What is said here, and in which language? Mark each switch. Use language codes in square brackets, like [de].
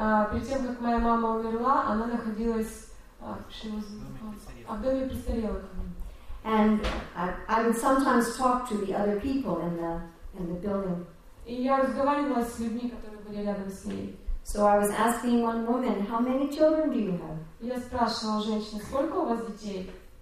[ru] Перед тем, как моя мама умерла, она находилась в доме престарелых. [en] And I would sometimes talk to the other people in the building. [ru] И я разговаривала с людьми, которые были рядом с ней. [en] So I was asking one woman, how many children do you have? [ru] Я спрашивала женщину, сколько у вас детей?